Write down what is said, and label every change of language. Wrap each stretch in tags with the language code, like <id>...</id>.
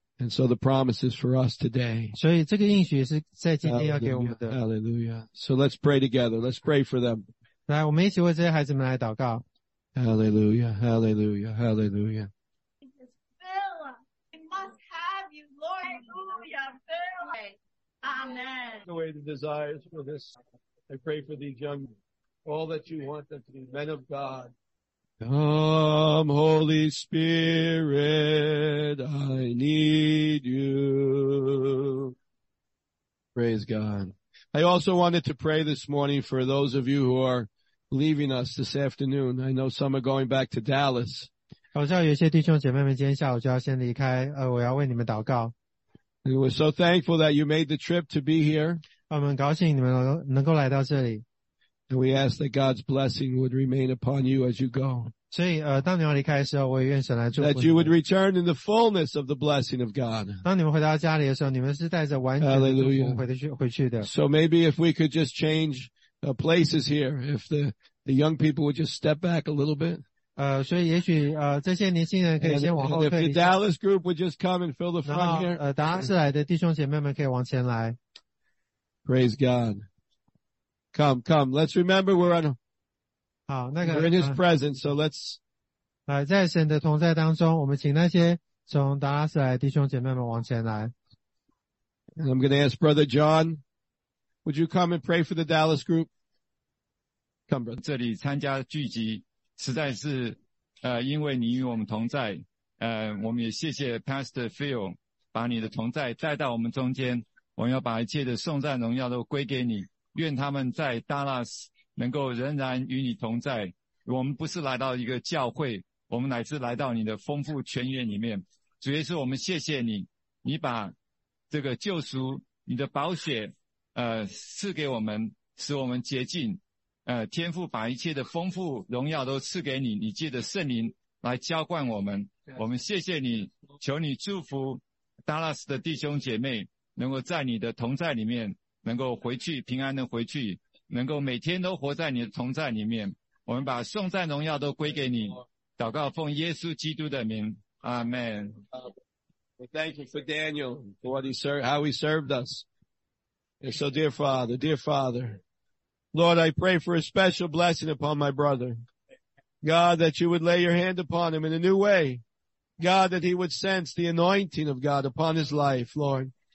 <en>And so the promise is for us today.</en> <zh>所以这个应许是在今天要给我们的。</zh> <en>Hallelujah. So let's pray together. Let's pray for them.</en> <zh>来，我们一起为这些孩子们来祷告。</zh> <en>Hallelujah, Hallelujah, Hallelujah. Fill us. We must have you, Lord. Hallelujah. Fill us. Amen. The way the desires for this, I pray for these young, all that you want them to be men of God. Come, Holy Spirit, I need you. Praise God. I also wanted to pray this morning for those of you who are. Leaving us this afternoon. I know some are going back to Dallas.</en> <zh>好像有些弟兄姐妹们今天下午就要先离开，我要为你们祷告。</zh> <en>And we're so thankful that you made the trip to be here.</en> <zh>我们高兴你们能够来到这里。</zh> <en>And we ask that God's blessing would remain upon you as you go.</en> <zh>所以, 当你们离开的时候, 我也愿神来祝福你们。</zh> <en>That you would return in the fullness of the blessing of God.</en> <zh>当你们回到家里的时候, 你们是带着完全的祝福回去, 回去的。</zh> <en>So maybe if we could just change places here, if the young people would just step back a little bit.</en> <zh>所以也许, 这些年轻人可以先往后退一下。</zh> <en>And if the Dallas group would just come and fill the front here.</en> <zh>然后, 达拉斯来的弟兄姐妹们可以往前来。</zh> <en>Praise God. Come, come. Let's remember we're on we're in his presence, so let's.</en> <zh>在神的同在当中，我们请那些从达拉斯来的弟兄姐妹们往前来。</zh> <en>And I'm going to ask Brother John, would you come and pray for the Dallas group? Come, brother.</en> <zh>这里参加聚集，实在是，因为你与我们同在，我们也谢谢 Pastor Phil 把你的同在带到我们中间。我们要把一切的颂赞荣耀都归给你，愿他们在 Dallas 能够仍然与你同在。我们不是来到一个教会，我们乃是来到你的丰富泉源里面。主耶稣，我们谢谢你，你把这个救赎、你的宝血，赐给我们，使我们洁净。天父把一切的丰富荣耀都赐给你，你借着圣灵来浇灌我们。我们谢谢你，求你祝福 Dallas 的弟兄姐妹。能够在你的同在里面，能够回去平安的回去，能够每天都活在你的同在里面。我们把颂赞荣耀都归给你，祷告奉耶稣基督的名，阿门。</zh> <en>Thank you for Daniel for what he served, how he served us. And so, dear Father, Lord, I pray for a special blessing upon my brother. God, that you would lay your hand upon him in a new way. God, that he would sense the anointing of God upon his life, Lord.</en>